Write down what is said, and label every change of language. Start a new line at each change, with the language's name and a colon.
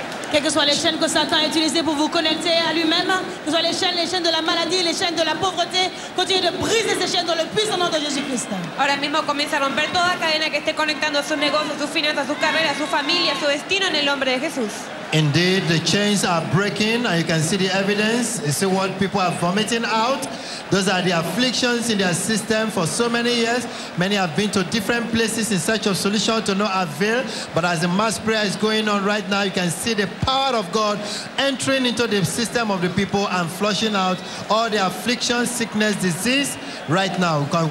French: Quelles que soient les chaînes que Satan a utilisées pour vous connecter à lui-même, que soient les chaînes de la maladie, les chaînes de la pauvreté, continuez de briser ces chaînes dans le puissant nom de Jésus-Christ.
Spanish: Ahora mismo comienza a romper toda cadena que esté conectando a sus negocios, sus finanzas, su carrera, su familia, su destino en el nombre de Jesús.
English: Indeed, the chains are breaking, and you can see the evidence. You see what people are vomiting out. Those are the afflictions in their system for so many years. Many have been to different places in search of solution to no avail. But as the mass prayer is going on right now, you can see the power of God entering into the system of the people and flushing out all the afflictions, sickness, disease right now.